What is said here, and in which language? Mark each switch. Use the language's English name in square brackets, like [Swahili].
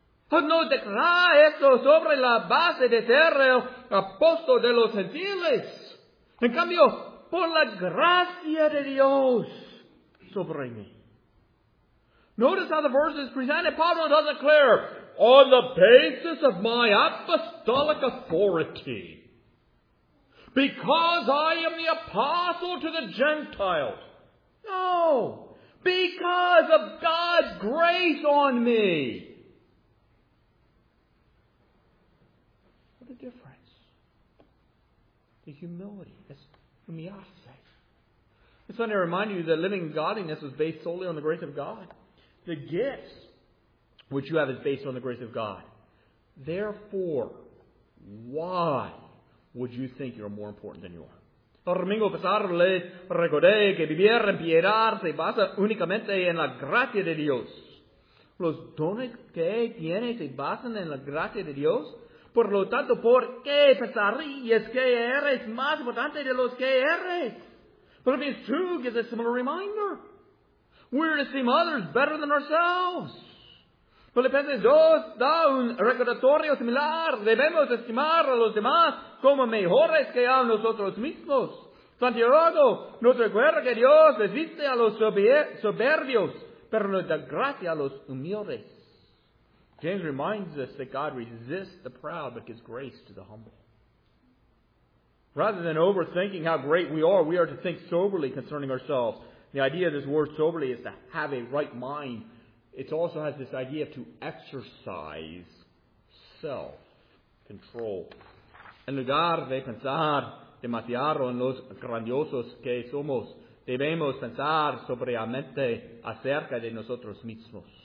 [Spanish] No declara esto sobre la base de ser el apóstol de los gentiles. En cambio, por la gracia de Dios sobre mí. [English] Notice how the verse is presented. Pablo does declare, on the basis of my apostolic authority, because I am the apostle to the Gentiles. No, because of God's grace on me. Difference. The humility. [Spanish] Es humillarse. Es [English] Sunday reminded you that living godliness is based solely on the grace of God. The gifts which you have is based on the grace of God. Therefore, why would you think you're more important than you are? [Spanish] Domingo pasado le recordé que vivir en piedad se basa únicamente en la gracia de Dios. Los dones que tiene se basan en la gracia de Dios. Por lo tanto, ¿por qué pensarías que eres más importante de los que eres? [English] Philippians 2 gives a similar reminder. We're to esteem others better than ourselves. [Spanish] Filipenses 2 da un recordatorio similar. Debemos estimar a los demás como mejores que a nosotros mismos. Santiago nos recuerda que Dios resiste a los soberbios, pero nos da gracia a los humildes. [English] James reminds us that God resists the proud but gives grace to the humble. Rather than overthinking how great we are to think soberly concerning ourselves. The idea of this word soberly is to have a right mind. It also has this idea to exercise self-control. [Spanish] En lugar de pensar demasiado en los grandiosos que somos, debemos pensar sobriamente acerca de nosotros mismos.